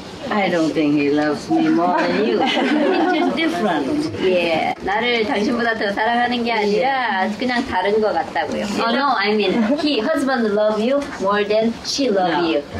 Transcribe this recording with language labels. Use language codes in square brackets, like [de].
[en] I don't think he loves me more than you. He's just different. Yeah. [ko] 나를 당신보다 더 사랑하는 게 아니라 그냥 다른 것 같다고요. [en] Oh, no, I mean, he, husband loves you more than she loves you.